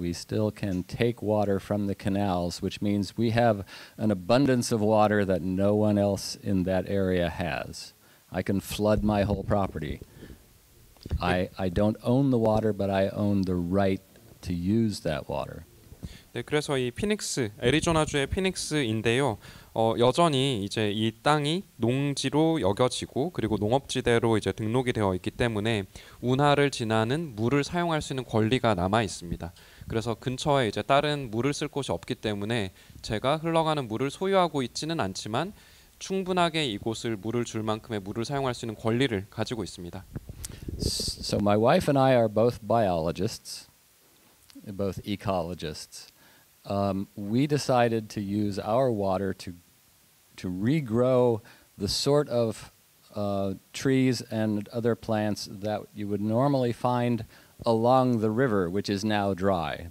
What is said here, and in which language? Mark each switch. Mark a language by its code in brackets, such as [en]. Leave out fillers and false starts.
[en] We still can take water from the canals, which means we have an abundance of water that no one else in that area has. I can flood my whole property. I don't own the water, but I own the right to use that water. [ko] 네, 그래서 이 피닉스, 애리조나주의 피닉스인데요. 여전히 이제 이 땅이 농지로 여겨지고 그리고 농업지대로 이제 등록이 되어 있기 때문에 운하를 지나는 물을 사용할 수 있는 권리가 남아 있습니다. 그래서 근처에 이제 다른 물을 쓸 곳이 없기 때문에 제가 흘러가는 물을 소유하고 있지는 않지만 충분하게 이곳을 물을 줄 만큼의 물을 사용할 수 있는 권리를 가지고 있습니다. [en] So my wife and I are both biologists, both ecologists. We decided to use our water to regrow the sort of trees and other plants that you would normally find along the river, which is now dry.